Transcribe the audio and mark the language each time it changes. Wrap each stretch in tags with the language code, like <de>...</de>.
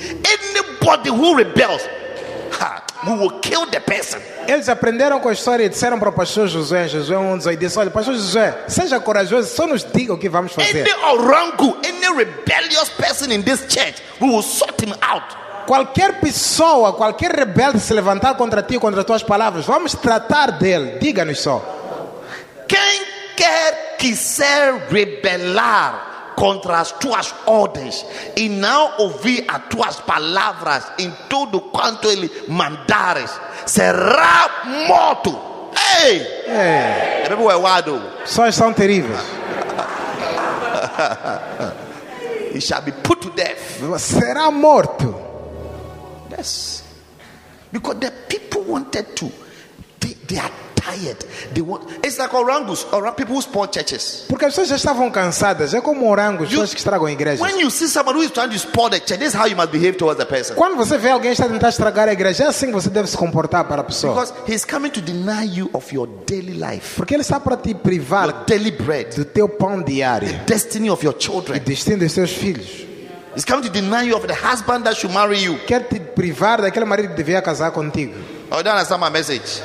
<en>Anybody who rebels, we will kill the person."</en> <pt>Eles aprenderam com a história e disseram para o pastor Josué, Josué 1:18, disse, olha, pastor Josué, seja corajoso, só nos diga o que vamos fazer.</pt> <en>Any orangu, any rebellious person in this church, we will sort him out.</en> <pt>Qualquer pessoa, qualquer rebelde se levantar contra ti, contra as tuas palavras, vamos tratar dele, diga-nos só. Quem quer que se rebelar contra as tuas ordens e não ouvir as tuas palavras em tudo quanto ele mandares, será morto. Ei! Hey! Hey. É wado. Só são terríveis.</pt> <en>He shall be put to death.</en> <pt>Será morto.</pt> <en>Yes. Because the people wanted to. They are tired. They want. It's like orangus, or people who spoil churches.</en> <pt>Porque as pessoas já estavam cansadas. É como orangus, pessoas que estragam igrejas.</pt> <en>When you see someone who is trying to spoil the church, this is how you must behave towards the person.</en> <pt>Quando você vê alguém está tentando estragar a igreja, é assim que você deve se comportar para a pessoa.</pt> <en>Because he is coming to deny you of your daily life.</en> <pt>Porque ele está para te privar</pt> <en>your daily bread,</en> <pt>do teu pão diário,</pt> <en>the destiny of your children,</en> <pt>o destino dos seus filhos.</pt> <en>He's coming to deny you of the husband that should marry you.</en> <pt>Quer te privar daquele marido que devia casar contigo.</pt> <en>Oh, don't understand my message.</en>